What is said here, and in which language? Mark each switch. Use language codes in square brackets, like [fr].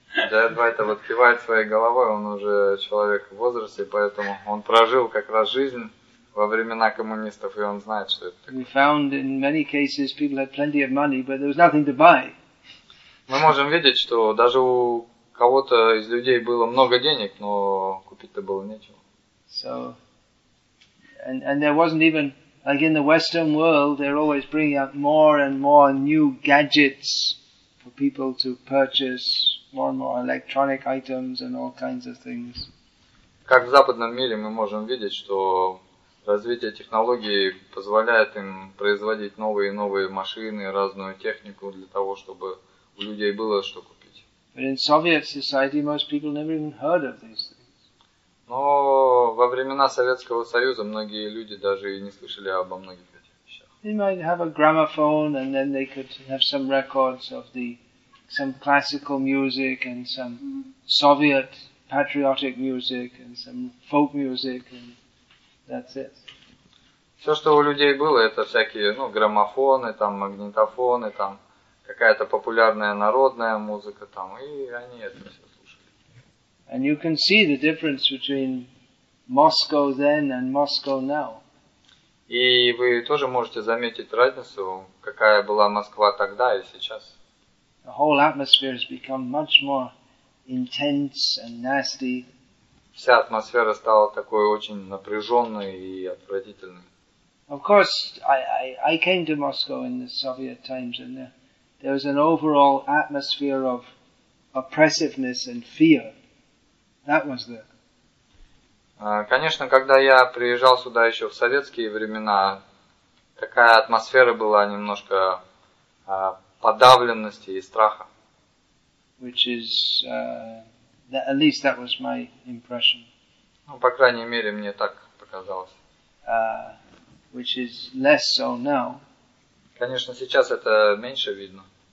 [ru] Jayavedi вот кивает своей головой. Он уже человек в возрасте, поэтому он прожил как раз жизнь во времена коммунистов, и он знает, что это такое. [en] We found in many cases people had plenty of money, but there was nothing to buy. [ru] Мы можем видеть, что даже у кого-то из людей было много денег, но купить-то было нечего. [en] So. And there wasn't even, like in the Western world, they're always bringing out more and more new gadgets for people to purchase, more and more electronic items and all kinds of things. [ru] Как в западном мире мы можем видеть, что развитие технологий позволяет им производить новые и новые машины, разную технику для того, чтобы у людей было что купить. [en] But in Soviet society, most people never even heard of these things. [ru] Но во времена Советского Союза многие люди даже и не слышали обо многих этих вещах. [en] They might have a gramophone, and then they could have some records of some classical music and some Soviet patriotic music and some folk music, and that's it. [ru] Все, что у людей было, это всякие, ну, граммофоны, там магнитофоны, там какая-то популярная народная музыка, там, и они это все. [en] And you can see the difference between Moscow then and Moscow now. [ru] И вы тоже можете заметить разницу, какая была Москва тогда и сейчас. [en] the whole atmosphere has become much more intense and nasty. [ru] Вся атмосфера стала такой очень напряженной и отвратительной. [en] Of course, I came to Moscow in the Soviet times, and there was an overall atmosphere of oppressiveness and fear. That was there. [ru] Конечно, когда я приезжал сюда еще в советские времена, такая атмосфера была немножко подавленности и страха. [en] Which is, that, at least that was my impression. [ru] Ну, по крайней мере, мне так показалось. [en] Which is less so now. [ru] Конечно, сейчас это меньше видно.